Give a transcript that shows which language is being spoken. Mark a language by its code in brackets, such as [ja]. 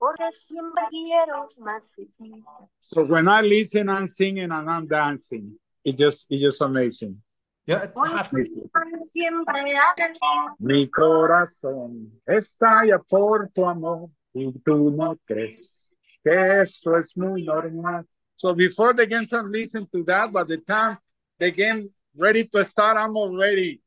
[en] So when I listen, I'm singing and I'm dancing. It's just amazing. [es] Mi corazón estalla por tu amor y tú no crees que eso es muy normal. [en] So before the game time, listen to that. By the time the game ready to start, I'm already.